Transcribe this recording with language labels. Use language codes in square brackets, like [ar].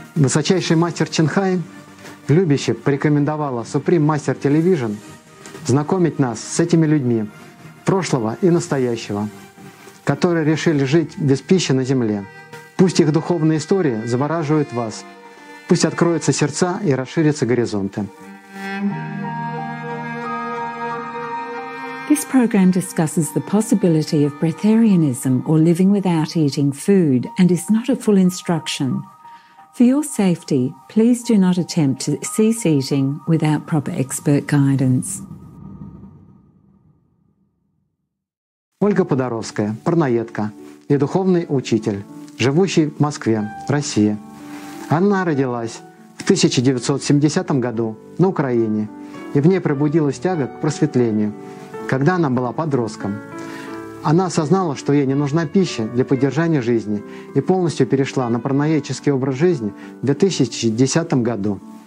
[ru] Высочайший мастер Чинхай любяще порекомендовала Supreme Master Television знакомить нас с этими людьми, прошлого и настоящего, которые решили жить без пищи на земле. Пусть их духовные истории завораживают вас. Пусть откроются сердца и расширятся горизонты. [en] This program discusses the possibility of breatharianism or living without eating food and is not a full instruction. For your safety, please do not attempt to cease eating without proper expert guidance. [ru] Ольга Подоровская, парноедка и духовный учитель, живущий в Москве, Россия. Она родилась в 1970 году на Украине, и в ней пробудилась тяга к просветлению. Когда она была подростком, она осознала, что ей не нужна пища для поддержания жизни и полностью перешла на пранаический образ жизни в 2010 году.